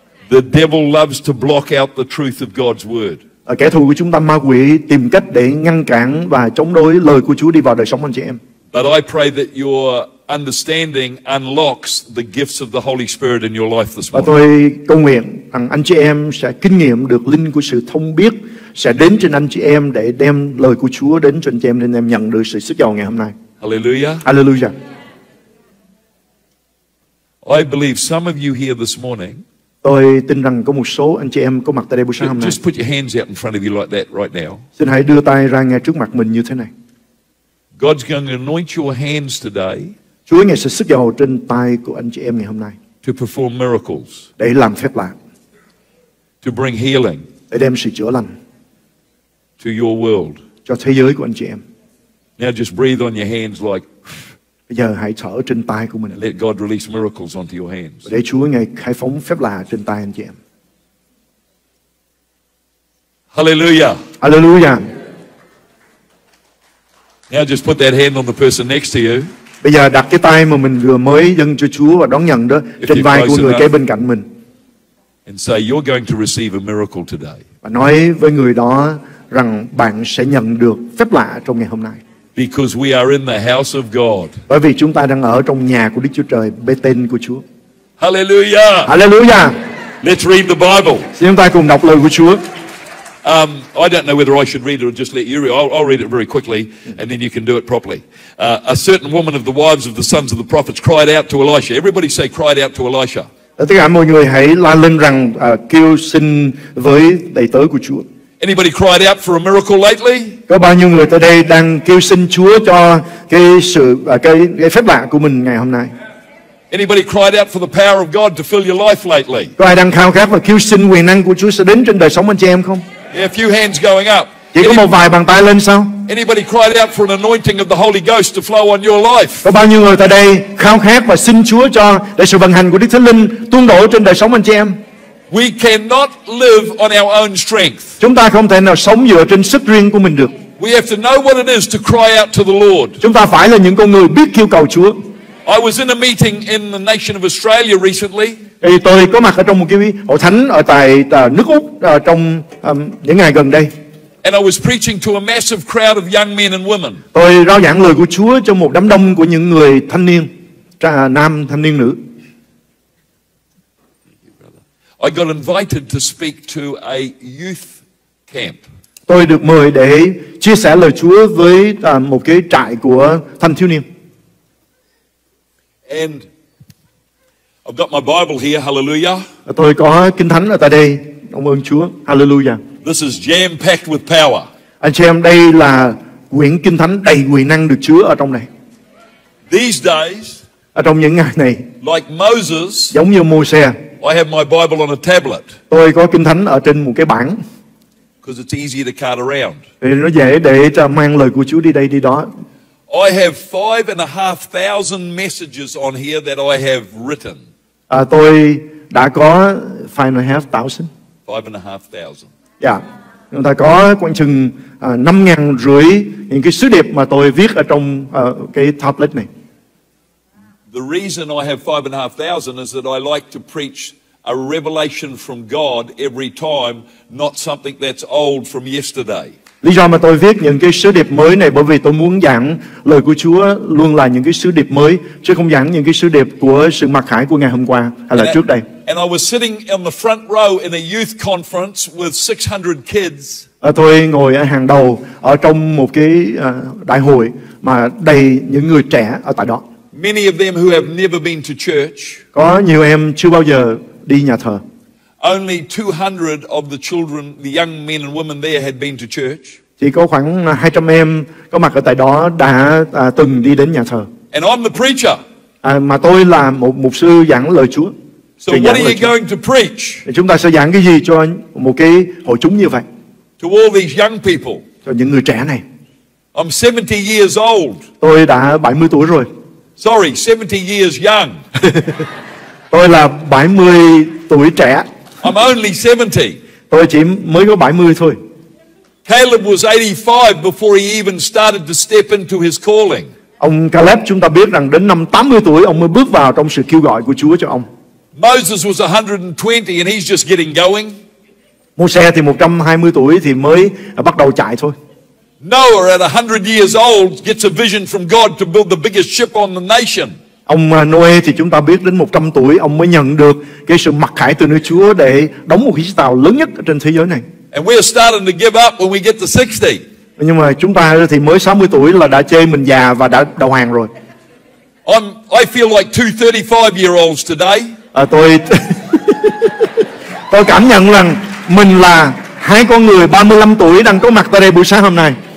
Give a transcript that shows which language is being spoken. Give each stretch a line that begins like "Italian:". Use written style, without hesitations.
English: The devil loves to block out the truth of God's word.
Vietnamese: Kẻ thù của chúng ta ma quỷ tìm cách để ngăn cản và chống đối lời của Chúa đi vào đời sống anh chị em.
English: But I pray that your understanding unlocks the gifts of the Holy Spirit in your life this morning.
Vietnamese: Và tôi cầu nguyện rằng anh chị em sẽ kinh nghiệm được linh của sự thông biết sẽ đến trên anh chị em để đem lời của Chúa đến cho anh chị em nên em nhận được sự sức giàu ngày hôm nay.
English: Hallelujah.
Vietnamese: Hallelujah.
English: I believe some of you here this morning.
Vietnamese: Tôi tin rằng có một số anh chị em có mặt tại đây buổi sáng hôm nay.
English: Just put your hands out in front of you like that right now.
Vietnamese: Xin hãy đưa tay ra ngay trước mặt mình như thế này.
English: God's going to anoint your hands today.
Vietnamese: Chúa ngài sẽ sức dầu trên tay của anh chị em ngày hôm nay.
English: To perform miracles.
Vietnamese: Để làm phép lạ.
English: To bring healing.
Vietnamese: Để đem sự chữa lành.
English: To your world.
Vietnamese: Cho thế giới của anh chị em.
English: Now just breathe on your hands like.
Vietnamese: Bây giờ hãy thở trên tay của mình.
English: Let God release miracles onto your hands.
Vietnamese: Để Chúa ngài khai phóng phép lạ trên tay anh chị em.
English: Hallelujah.
Vietnamese: Hallelujah.
English: Now just put that hand on the person next to you.
Vietnamese: Bây giờ đặt cái tay mà mình vừa mới dâng cho Chúa và đón nhận đó trên vai của người kế bên cạnh mình.
English: And say you're going to receive a miracle today.
Vietnamese: Và nói với người đó rằng bạn sẽ nhận được phép lạ trong ngày hôm nay.
English: Because we are in the house of God.
Vietnamese: Bởi vì chúng ta đang ở trong nhà của Đức Chúa Trời, bê tên của Chúa.
English: Hallelujah.
Vietnamese: Hallelujah.
English: Let's read the Bible.
Vietnamese: Chúng ta cùng đọc lời của Chúa.
English: I don't know whether I should read it or just let you read. I'll read it very quickly, and then you can do it properly. A certain woman of the wives of the sons of the prophets cried out to Elisha. Everybody say, cried out to Elisha.
Vietnamese: Tất cả mọi người hãy la lên rằng kêu xin với đầy tớ của Chúa.
English: Anybody cried out for a miracle lately?
Vietnamese: Có bao nhiêu người tới đây đang kêu xin Chúa cho cái phép lạ của mình ngày hôm nay?
English: Anybody cried out for the power of God to fill your life lately?
Vietnamese: Có ai đang khao khát và kêu xin quyền năng của Chúa sẽ đến trên đời sống anh chị em không?
English: Yeah, a few hands going up.
Vietnamese: Chỉ có một vài bàn tay lên sao?
English: Anybody cried out for an anointing of the Holy Ghost to flow on your life?
Vietnamese: Có bao nhiêu người tới đây khao khát và xin Chúa cho để sự vận hành của Đức Thánh Linh tuôn đổ trên đời sống anh chị em?
English: We cannot live on our own strength.
Vietnamese: Chúng ta không thể nào sống dựa trên sức riêng của mình được.
English: We have to know what it is to cry out to the Lord.
Vietnamese: Chúng ta phải là những con người biết kêu cầu Chúa.
English: I was in a meeting in the nation of Australia recently.
Vietnamese: Tôi có mặt ở trong một cái hội thánh ở tại nước Úc trong những ngày gần đây.
English: And I was preaching to a massive crowd of young men and women.
Vietnamese: Tôi rao giảng lời của Chúa cho một đám đông của những người thanh niên, nam thanh niên nữ.
English: I got invited to speak to a youth camp.
Vietnamese: Tôi được mời để chia sẻ lời Chúa với một cái trại của thanh thiếu niên.
English: And I've got my Bible here. Hallelujah.
Vietnamese: Tôi có Kinh Thánh ở tại đây. Cảm ơn Chúa. Hallelujah.
English: This is jam packed with power.
Vietnamese: Anh chị em, đây là quyển Kinh Thánh đầy quyền năng được chứa ở trong này.
English: These days,
Vietnamese: ở trong những ngày này,
English: like Moses,
Vietnamese: giống như Môi-se,
English: I have my Bible on a tablet.
Vietnamese: Tôi có Kinh Thánh ở trên một cái bảng.
English: Because it's easier to cart around.
Vietnamese: Nó dễ để cho mang lời của Chúa đi đây đi đó.
English: I have 5,500 messages on here that I have written.
Vietnamese: Tôi đã có 5,500.
English: 5,500.
Vietnamese: Yeah. Chúng ta có khoảng chừng 5,500 những cái sứ điệp mà tôi viết ở trong cái tablet này.
English: The reason I have 5,500 is that I like to preach a revelation from God every time, not something that's old from yesterday.
Vietnamese: Lý do mà tôi viết những cái sứ điệp mới này bởi vì tôi muốn giảng lời của Chúa luôn là những cái sứ điệp mới, chứ không giảng những cái sứ điệp của sự mặc khải của ngày hôm qua hay là trước đây.
English: And I was sitting in the front row in a youth conference with 600 kids.
Vietnamese: Tôi ngồi ở hàng đầu ở trong một cái đại hội mà đầy những người trẻ ở tại đó.
English: Many of them who have never been to church.
Vietnamese: Có nhiều em chưa bao giờ đi nhà thờ.
English: Only 200 of the children, the young men and women there had been to church.
Vietnamese: Chỉ có khoảng 200 em có mặt ở tại đó đã từng đi đến nhà thờ.
English: And I'm the preacher.
Vietnamese: Mà tôi là một mục sư giảng lời Chúa.
English: So what are you going to preach?
Vietnamese: Chúng ta sẽ giảng cái gì cho một cái hội chúng như vậy?
English: To all these young people.
Vietnamese: Cho những người trẻ này.
English: I'm 70 years old.
Vietnamese: Tôi đã 70 tuổi rồi.
English: Sorry, 70 years young.
Vietnamese: Tôi là 70 tuổi trẻ.
English: I'm only 70.
Vietnamese: Tôi chỉ mới có 70 thôi.
English: Caleb was 85 before he even started to step into his calling.
Vietnamese: Ông Caleb, chúng ta biết rằng đến năm 80 tuổi ông mới bước vào trong sự kêu gọi của Chúa cho ông.
English: Moses was 120 and he's just getting going.
Vietnamese: Môi-se thì 120 tuổi thì mới bắt đầu chạy thôi.
English: Noah at 100 years old gets a vision from God to build the biggest ship on the nation.
Vietnamese: Ông Noe thì chúng ta biết đến 100 tuổi ông mới nhận được cái sự mặc khải từ nơi Chúa để đóng một chiếc tàu lớn nhất trên thế giới này.
English: And we are starting to give up when we get to 60.
Vietnamese: Nhưng mà chúng ta thì mới 60 tuổi là đã chê mình già và đã đầu hàng rồi.
English: I feel like 235 year olds today.
Vietnamese: Tôi cảm nhận rằng mình là hai con người 35 tuổi đang có mặt tại đây buổi sáng hôm nay.